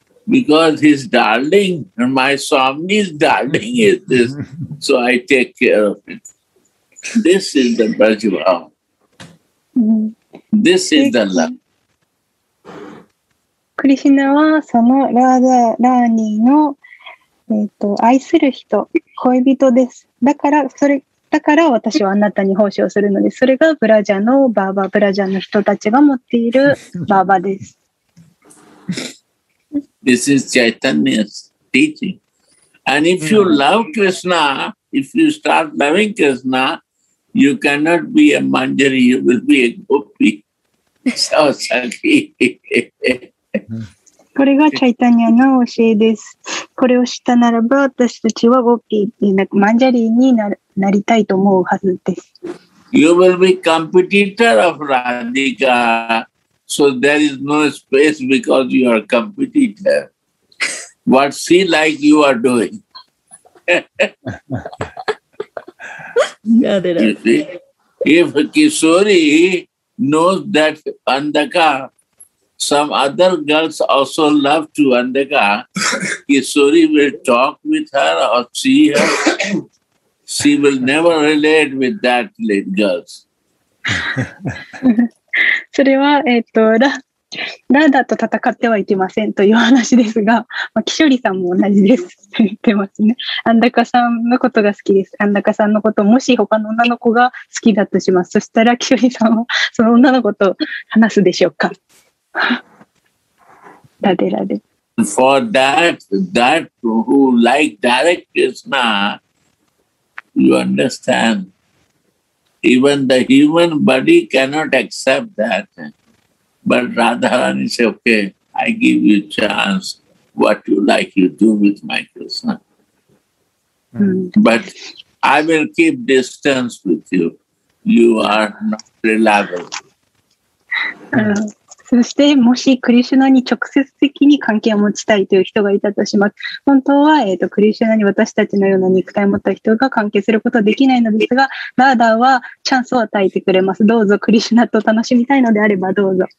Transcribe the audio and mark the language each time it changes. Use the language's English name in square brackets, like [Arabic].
[English] Because his darling and my Swami's darling is this, so I take care of it. This is the Brajbhava. Mm-hmm. This is the love. [Japanese] Krishna wa sono Radha Rani no 愛する人、恋人です。だから、それ、だから私はあなたに奉仕をするので、それがブラジャのバーバー、ブラジャの人たちが持っているバーバーです。 [English] This is Chaitanya's teaching. And if you love Krishna, if you start loving Krishna, you cannot be a manjari, you will be a gopi. So, sorry. [Japanese] これがチャイタニアの教えです。これを知ったならば、私たちはゴッピー、マンジャリーに なりたいと思うはずです。 [English] You will be competitor of Radhika, so there is no space because you are competitor. What she like you are doing? You see, if Kishori knows that Andhaka, some other girls also love to Andhaka, Kishori will talk with her or see her. She will never relate with that little girls. [Japanese] それは、ラダと戦ってはいけませんという話ですが、まあ、キショリさんも同じですと言ってますね。アンダカさんのことが好きです。アンダカさんのこと、もし他の女の子が好きだとします。そしたらキショリさんはその女の子と話すでしょうか。 [English] For that who like direct Krishna, you understand, even the human body cannot accept that. But Radharani say, okay, I give you chance, what you like, you do with my Krishna. Mm. But I will keep distance with you. You are not reliable. [Japanese] そして、もし、クリシュナに直接的に関係を持ちたいという人がいたとします。本当は、クリシュナに私たちのような肉体を持った人が関係することはできないのですが、ラーダーはチャンスを与えてくれます。どうぞ、クリシュナと楽しみたいのであればどうぞ。